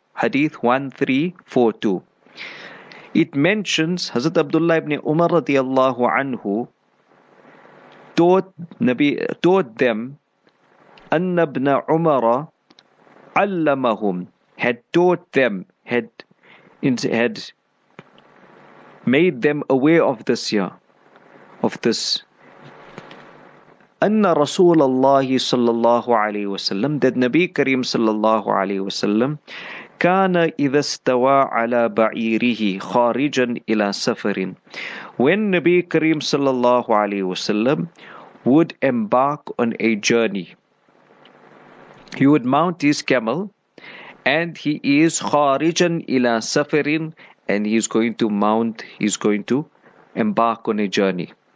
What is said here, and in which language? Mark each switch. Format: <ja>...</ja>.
<en>Hadith 1342. It mentions Hazrat Abdullah ibn Umar radiallahu anhu taught them</en> <ar>أن ابن عمر علمهم,</ar> <en>had taught them, had made them aware of this year, of this.</en> <ar>أن رسول الله صلى الله عليه وسلم, that Nabi Kareem صلى الله عليه وسلم كان إذا استوى على بعيره خارجا إلى سفر.</ar> <en>When Nabi Kareem صلى الله عليه وسلم would embark on a journey, he would mount his camel, and he is</en> <ar>kharijan ila safarin,</ar> <en>and he is going to embark on a journey.</en>